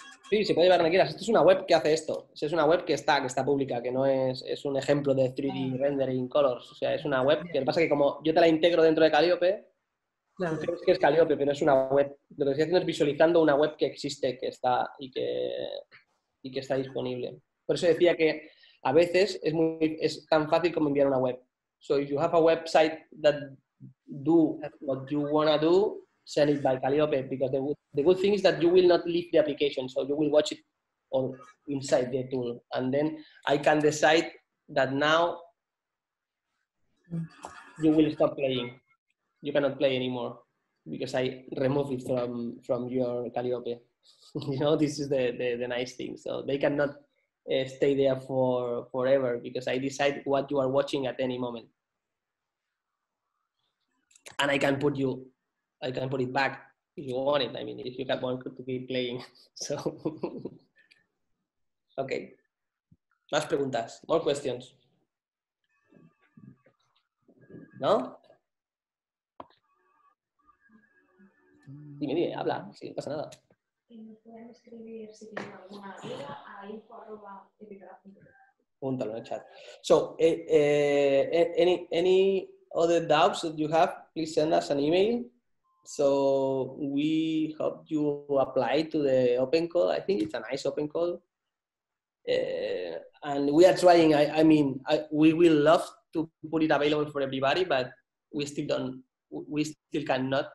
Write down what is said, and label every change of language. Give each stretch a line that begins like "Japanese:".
Spanish: Sí, se puede llevar donde quieras. Esto es una web que hace esto. Es una web que está pública, que no es, es un ejemplo de 3D rendering colors. O sea, es una web. Bien. Que lo que pasa es que como yo te la integro dentro de Calliope, claro. Crees que es Calliope, pero es una web. Lo que estoy haciendo es visualizando una web que existe, que está y que está disponible. Por eso decía que a veces es muy, es tan fácil como enviar una web.
English: So if you have a website that do what you want to do, send it by Calliope, because the good thing is that you will not leave the application, so you will watch it on inside the tool, and then I can decide that now you will stop playing, you cannot play anymore, because I remove it from your Calliope. You know, this is the nice thing, so they cannot stay there for forever, because I decide what you are watching at any moment. And I can put it back if you want it. I mean, if you can want to keep playing. So, okay.
Spanish: Más preguntas.
English: More questions. No?
Spanish: Dime, dime, habla. Sí, no pasa nada. ¿Pueden escribir si tienen alguna duda a info@epigraph.com? Púntalo en el chat.
English: So, any other doubts that you have, please send us an email. So we hope you apply to the open call. I think it's a nice open call. And we are trying, we will love to put it available for everybody, but we still cannot.